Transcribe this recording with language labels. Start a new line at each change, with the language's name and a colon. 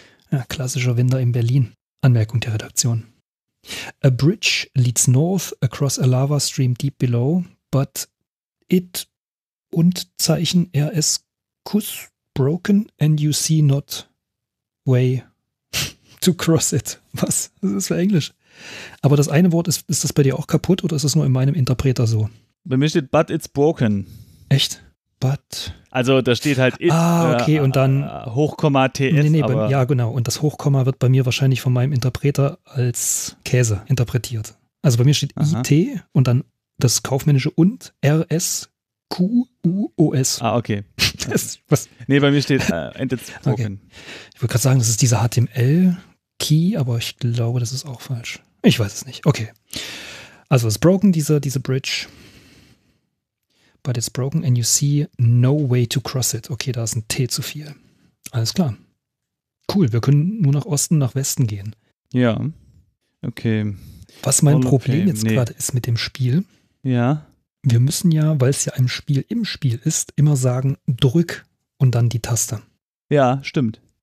German: Ja, klassischer Winter in Berlin. Anmerkung der Redaktion.
English: A bridge leads north across a lava stream deep below, but it
German: und Zeichen
English: RS kuss broken and you see not way to cross it.
German: Was? Das ist für Englisch. Aber das eine Wort, ist das bei dir auch kaputt oder ist es nur in meinem Interpreter so? Bei mir steht
English: but it's broken.
German: Echt? But. Also da steht halt it, okay, und dann Hochkomma TS. Nee, aber, ja, genau. Und das Hochkomma wird bei mir wahrscheinlich von meinem Interpreter als Käse interpretiert. Also bei mir steht aha. IT und dann das kaufmännische und RSQUOS. Ah, okay. Was? Nee, bei mir steht
English: it's broken.
German: Okay. Ich würde gerade sagen, das ist dieser HTML Key, aber ich glaube, das ist auch falsch. Ich weiß es nicht. Okay. Also es ist broken, diese Bridge.
English: But it's broken and you see no way to cross it.
German: Okay, da ist ein T zu viel. Alles klar. Cool, wir können nur nach Osten, nach Westen gehen. Ja, okay. Was mein Problem jetzt gerade ist mit dem Spiel. Ja. Wir müssen ja, weil es ja ein Spiel im Spiel ist, immer sagen, drück und dann die Taste. Ja, stimmt.